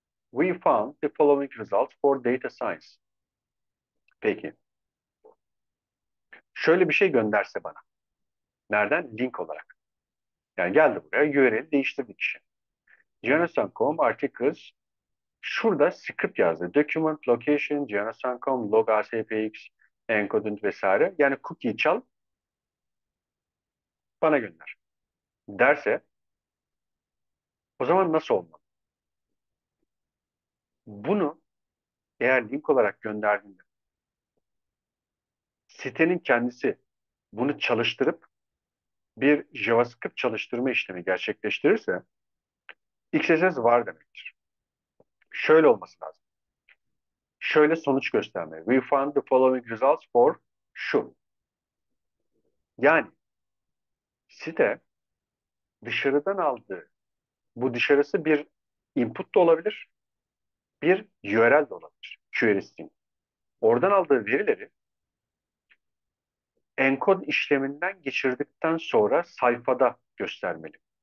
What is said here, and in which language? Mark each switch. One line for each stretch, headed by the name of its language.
English: We found the following results for data science.
Turkish: Peki. Şöyle bir şey gönderse bana. Nereden? Link olarak. Yani geldi buraya, URL'i değiştirdi kişi. Jonathan.com articles şurada script yazdı. Document location, Jonathan.com, log ASPX, encoding vesaire. Yani cookie çal, bana gönder. Derse o zaman nasıl olmalı? Bunu eğer link olarak gönderdiğinde sitenin kendisi bunu çalıştırıp bir JavaScript çalıştırma işlemi gerçekleştirirse XSS var demektir. Şöyle olması lazım. Şöyle sonuç gösterme.
English: We found the following results for
Turkish: şu. Yani site dışarıdan aldığı, bu dışarısı bir input da olabilir, bir URL de olabilir. Query string. Oradan aldığı verileri encode işleminden geçirdikten sonra sayfada göstermeli.